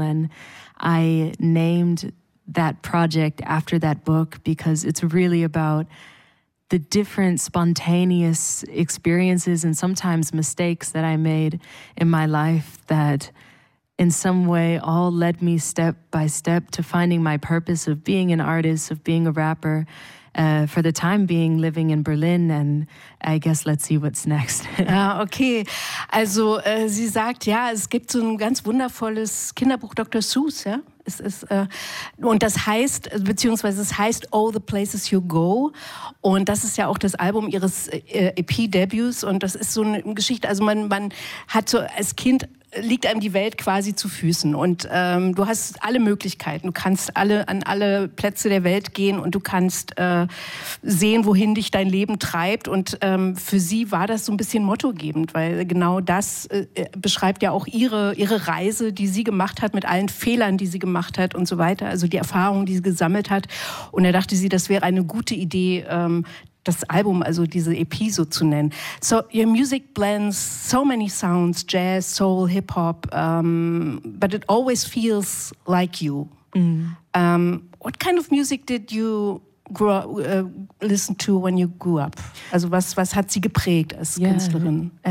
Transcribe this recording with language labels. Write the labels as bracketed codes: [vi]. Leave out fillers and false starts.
[en] And I named that project after that book because it's really about the different spontaneous experiences and sometimes mistakes that I made in my life that in some way all led me step by step to finding my purpose of being an artist, of being a rapper. For the time being living in Berlin and I guess let's see what's next. [de] Okay, also sie sagt, ja, es gibt so ein ganz wundervolles Kinderbuch, Dr. Seuss, ja? Es ist, und das heißt, beziehungsweise es heißt Oh, the Places You Go. Und das ist ja auch das Album ihres EP-Debuts und das ist so eine Geschichte, also man hat so als Kind liegt einem die Welt quasi zu Füßen. Und du hast alle Möglichkeiten. Du kannst alle an alle Plätze der Welt gehen und du kannst sehen, wohin dich dein Leben treibt. Und für sie war das so ein bisschen mottogebend, weil genau das beschreibt ja auch ihre Reise, die sie gemacht hat, mit allen Fehlern, die sie gemacht hat und so weiter. Also die Erfahrungen, die sie gesammelt hat. Und da dachte sie, das wäre eine gute Idee, das Album, also diese EP so zu nennen. [en] So, your music blends so many sounds, Jazz, Soul, Hip-Hop, but it always feels like you. Mm. What kind of music did you listen to when you grew up? [de] Also was hat sie geprägt als Künstlerin?